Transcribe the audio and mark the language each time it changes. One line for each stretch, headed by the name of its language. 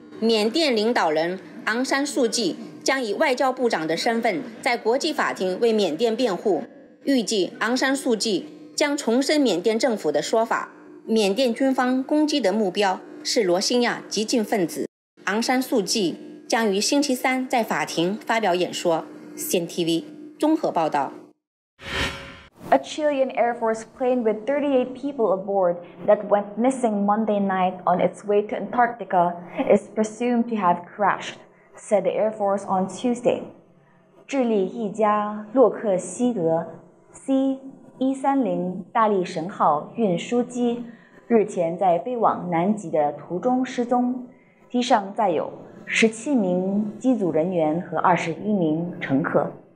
Chinese: 缅甸领导人昂山素季将以外交部长的身份在国际法庭为缅甸辩护，预计昂山素季将重申缅甸政府的说法，缅甸军方攻击的目标是罗兴亚激进分子。昂山素季将于星期三在法庭发表演说。 CNTV 综合报道。
English: A Chilean Air Force plane with 38 people aboard that went missing Monday night on its way to Antarctica is presumed to have crashed, said the Air Force on Tuesday.
Chinese: 智利一家洛克希德 C-130 大力神号运输机日前在飞往南极的途中失踪，机上载有17名机组人员和21名乘客。